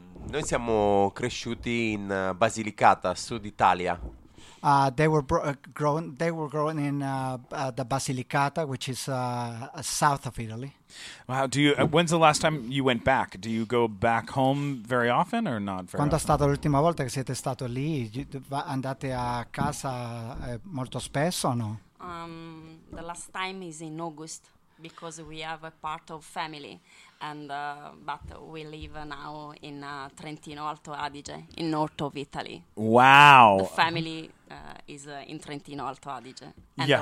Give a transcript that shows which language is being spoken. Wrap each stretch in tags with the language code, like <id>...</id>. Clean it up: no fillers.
<it>Noi siamo cresciuti in Basilicata, Sud Italia.</it> <en>They were grown in the Basilicata, which is south of Italy. Wow. Do you? When's the last time you went back? Do you go back home very often or not very</en> <it>Quando</it> <en>often?</en> <it>È stata l'ultima volta che siete stato lì? Andate a casa molto spesso o no?</it> <en>The last time is in August because we have a part of family. And but we live now in Trentino Alto Adige, in north of Italy. Wow! The family is in Trentino Alto Adige, and yeah.</en>